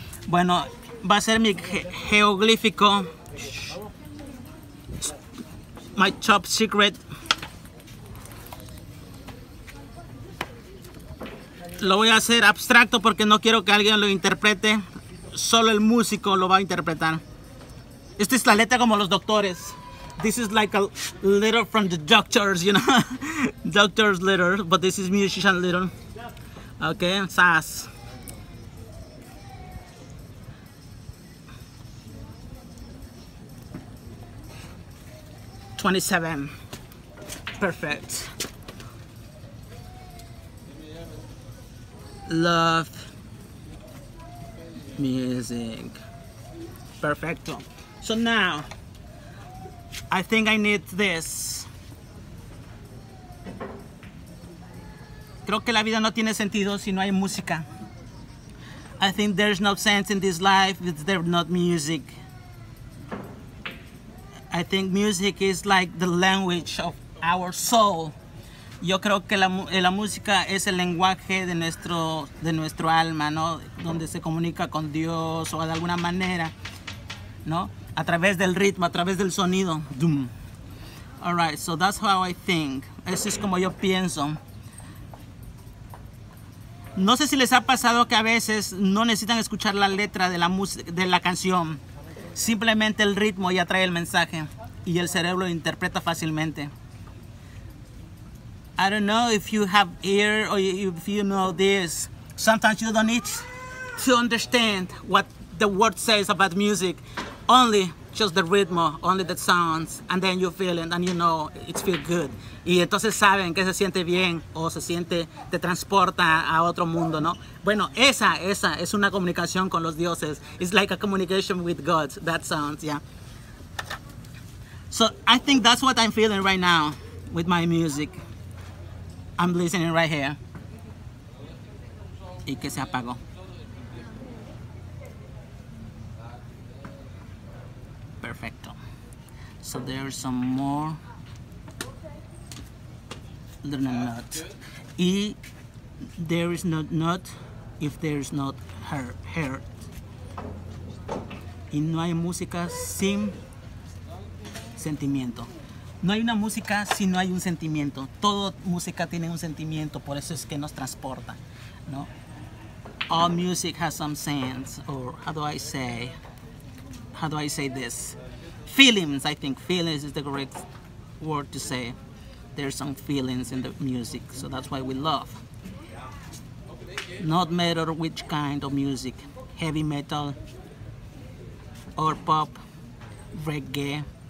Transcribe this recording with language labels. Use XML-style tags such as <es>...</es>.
<es>Bueno, va a ser mi jeroglífico.</es> <en>My top secret.</en> <es>Lo voy a hacer abstracto porque no quiero que alguien lo interprete. Solo el músico lo va a interpretar. Esta es la letra como los doctores.</es> <en>This is like a letter from the doctors, you know. Doctor's letter, but this is musician letter. Okay, sas. '27. Perfect. Love music. Perfecto. So now, I think I need this.</en> <es>Creo que la vida no tiene sentido si no hay música.</es> <en>I think there's no sense in this life if there's not music. I think music is like the language of our soul.</en> <es>Yo creo que la música es el lenguaje de nuestro alma, ¿no? Donde se comunica con Dios o de alguna manera, ¿no? A través del ritmo, a través del sonido. Doom.</es> <en>All right, so that's how I think.</en> <es>Eso es como yo pienso. No sé si les ha pasado que a veces no necesitan escuchar la letra de la canción. Simplemente el ritmo ya trae el mensaje y el cerebro lo interpreta fácilmente.</es> <en>I don't know if you have ear or if you know this. Sometimes you don't need to understand what the word says about music. Only just the rhythm, only the sounds, and then you feel it and you know it feels good.</en> <es>Y entonces saben que se siente bien o se siente, te transporta a otro mundo, ¿no? Bueno, esa es una comunicación con los dioses.</es> <en>It's like a communication with God, that sounds, yeah. So I think that's what I'm feeling right now with my music. I'm listening right here.</en> <es>Y que se apagó.</es> <en>Perfecto. So there's some more. Little knot. Y there is no knot if there's not heard.</en> <es>Y no hay música sin sentimiento. No hay una música si no hay un sentimiento. Toda música tiene un sentimiento, por eso es que nos transporta, ¿no?</es> <en>All music has some sense, or how do I say this? Feelings, I think feelings is the correct word to say. There's some feelings in the music, so that's why we love. Not matter which kind of music, heavy metal, or pop, reggae.</en>